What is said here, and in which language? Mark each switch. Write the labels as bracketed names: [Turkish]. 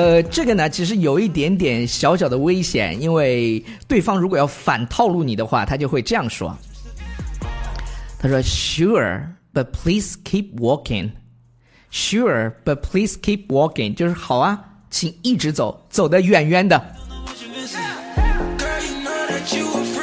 [Chinese] 这个呢，其实有一点点小小的危险，因为对方如果要反套路你的话，他就会这样说。他说 [English] ：“Sure, but please keep walking.” Sure, but please keep walking. [Chinese] 就是好啊，请一直走，走得远远的。 [English] Girl, you know that you are